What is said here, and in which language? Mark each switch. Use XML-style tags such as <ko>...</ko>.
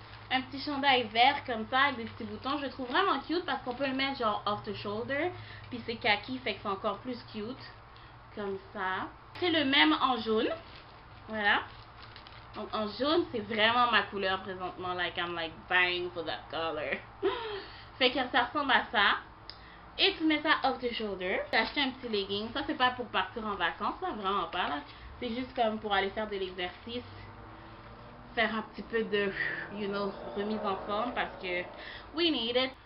<fr>un petit chandail vert comme ça avec des petits boutons. Je le trouve vraiment cute parce qu'on peut le mettre genre</fr> <en>off the shoulder.</en> <fr>Puis c'est kaki, fait que c'est encore plus cute. Comme ça. C'est le même en jaune. Voilà. Donc en jaune, c'est vraiment ma couleur présentement.</fr> <en>Like, I'm like dying for that color.</en> <fr>Fait que ça ressemble à ça. Et tu mets ça</fr> <en>off the shoulder.</en> <fr>J'ai acheté un petit legging. Ça, c'est pas pour partir en vacances, là. Vraiment pas, là. C'est juste comme pour aller faire de l'exercice. Faire un petit peu de,</fr> <en>you know,</en> <fr>remise en forme parce que</fr> <en>we need it.</en>